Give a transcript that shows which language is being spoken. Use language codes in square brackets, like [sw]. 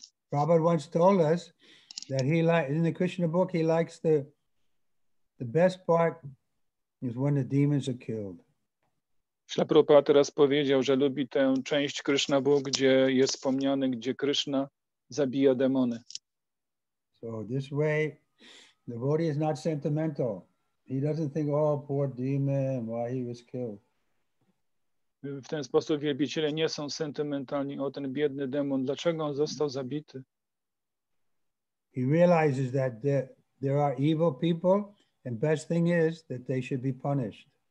[en] Prabhupada once told us that he likes, in the Krishna book, he likes the best part is when the demons are killed. [pl] Śla Prabhupada teraz powiedział, że lubi tę część Krishna book, gdzie jest wspomniany, gdzie Krishna zabija demony. [en] So this way, the devotee is not sentimental. He doesn't think, oh, poor demon, why he was killed. [pl] W ten sposób wielbiciele nie są sentymentalni o ten biedny demon. Dlaczego on został zabity? [en] He realizes that there are evil people and best thing is that they should be punished.